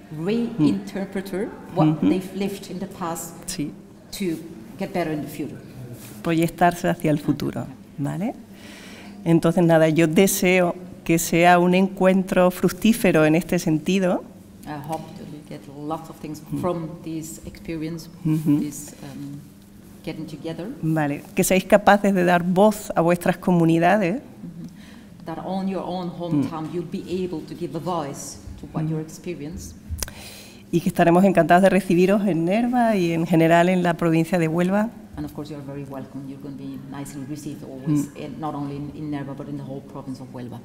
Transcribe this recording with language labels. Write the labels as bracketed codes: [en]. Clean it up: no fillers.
[en] Reinterpretar what they've lived in the past to get better in the future. [es] Proyectarse hacia el futuro, ¿vale? Entonces nada, yo deseo que sea un encuentro fructífero en este sentido. [en] Get lots of things from this experience, this getting together. [es] Vale, que seáis capaces de dar voz a vuestras comunidades. [en] That on your own hometown you'll be able to give a voice to what you're experiencing. [es] Y que estaremos encantados de recibiros en Nerva y en general en la provincia de Huelva. [en] And of course you're very welcome. You're going to be nicely received always, not only in Nerva but in the whole province of Huelva.